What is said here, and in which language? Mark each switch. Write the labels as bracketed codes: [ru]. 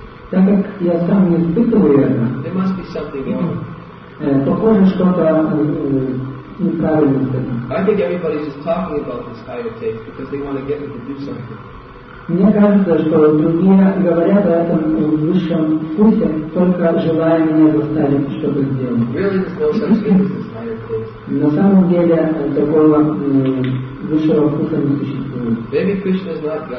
[ru] Так как я сам не испытываю это. [en] There must be something wrong. [ru] Похоже, что-то неправильно. [en] I think everybody's just talking about this higher taste because they want to get me to do something. [ru] Мне кажется, что другие говорят о этом высшем вкусе, только желая меня заставить что-то сделать. На самом деле такого высшего вкуса не существует.